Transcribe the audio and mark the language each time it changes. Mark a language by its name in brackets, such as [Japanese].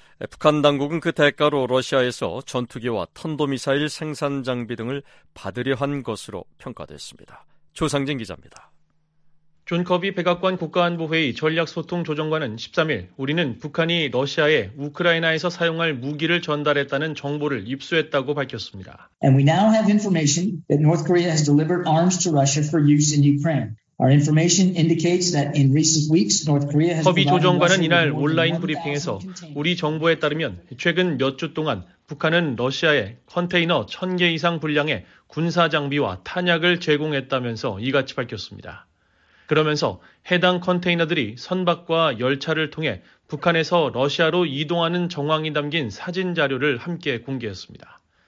[Korean] 북한 당국은 그 대가로 러시아에서 전투기와 탄도미사일 생산 장비 등을 받으려 한 것으로 평가됐습니다. 조상진 기자입니다. 존 커비 백악관 국가안보회의 전략소통조정관은 13일 우리는 북한이 러시아에 우크라이나에서 사용할 무기를 전달했다는 정보를 입수했다고 밝혔습니다. [English] And we now have information that North Korea has delivered arms to Russia for use in Ukraine. Our information indicates that in recent weeks, North Korea has. [Korean] 커비 조정관은 이날 온라인 브리핑에서 우리 정보에 따르면 최근 몇 주 동안 북한은 러시아에 컨테이너 1000개 이상 분량의 군사 장비와 탄약을 제공했다면서 이같이 밝혔습니다. 그러면서 해당 컨테이너들이 선박과 열차를 통해 북한에서 러시아로 이동하는 정황이 담긴 사진 자료를 함께 공개했습니다.